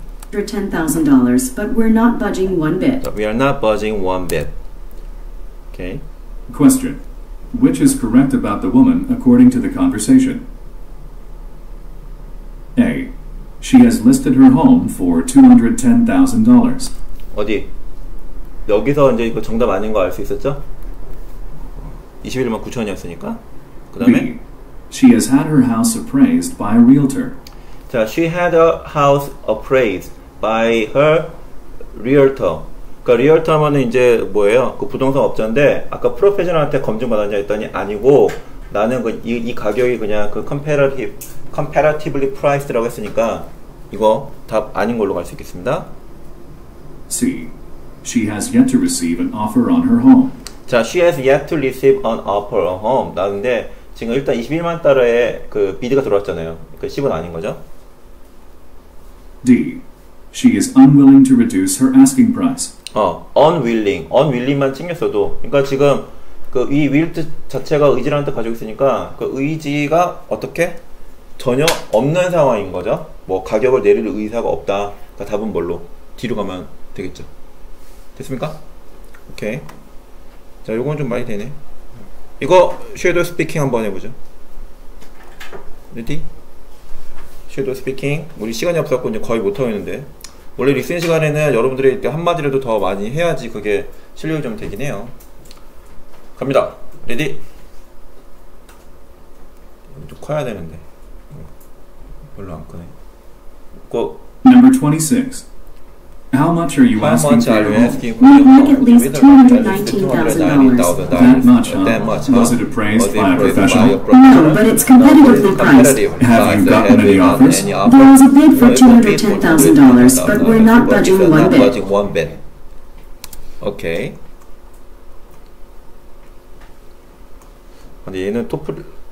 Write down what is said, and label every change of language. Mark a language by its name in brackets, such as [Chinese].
[English] For $10,000, but we're not budging one bit. We are not budging one bit. Okay. Question: Which is correct about the woman according to the conversation? A. She has listed her home for $210,000. [Korean] 어디? 여기서 이제 이거 정답 아닌 거 알 수 있었죠? 21만 9천이었으니까. 그다음에 [English] B. She has had her house appraised by a realtor. 자, she had her house appraised by her realtor. [Korean] 그러니까 realtor 하면은 이제 뭐예요? 그 부동산 업자인데 아까 프로페셔널한테 검증받았냐 했더니 아니고 나는 그 이 가격이 그냥 그 [English] comparatively priced [Korean] 라고 했으니까 이거 답 아닌 걸로 갈 수 있겠습니다. [English] C. She has yet to receive an offer on her home. 자, she has yet to receive an offer on home. [Korean] 나는데 지금 일단 21만 달러의 그 비드가 들어왔잖아요. 그 10은 아닌 거죠? [English] D. She is unwilling to reduce her asking price. Unwilling. [Korean] Unwilling만 챙겼어도. 그러니까 지금 그 이 will 자체가 의지라는 뜻 가지고 있으니까 그 의지가 어떻게? 전혀 없는 상황인 거죠. 뭐 가격을 내릴 의사가 없다. 그러니까 답은 뭘로? D로 가면 되겠죠. 됐습니까? 오케이. 자, 요건 좀 많이 되네. 이거 [English] shadow speaking [Korean] 한번 해보죠. [English] Ready? Shadow speaking. [Korean] 우리 시간이 없었고 이제 거의 못하겠는데 원래 리슨 시간에는 여러분들이 한마디라도 더 많이 해야지 그게 실력이 좀 되긴 해요. 갑니다. [English] Ready? [Korean] 좀 커야 되는데 별로 안 크네. [English] Go. Number 26. How much are you asking for your home? We'd like at least $219,000. That much, huh? That much, huh? Was it appraised by a professional? No, but it's competitively priced. Have you gotten any offers? There was a bid for $210,000, but we're not budging one bit. Okay. [Korean] 근데 얘는 토플